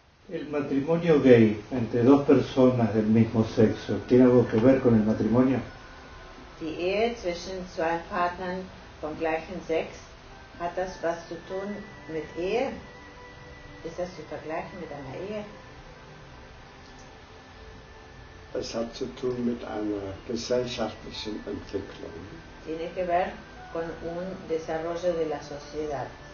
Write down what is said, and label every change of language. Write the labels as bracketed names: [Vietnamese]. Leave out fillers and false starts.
[Spanish] El matrimonio gay entre dos personas del mismo sexo, ¿tiene algo que ver con el matrimonio? [German] Die Ehe zwischen zwei Partnern vom gleichen Sex, hat das was zu tun mit Ehe? Ist das zu vergleichen mit einer Ehe? Es hat zu tun mit einer gesellschaftlichen Entwicklung. [Spanish] Tiene que ver con un desarrollo de la sociedad.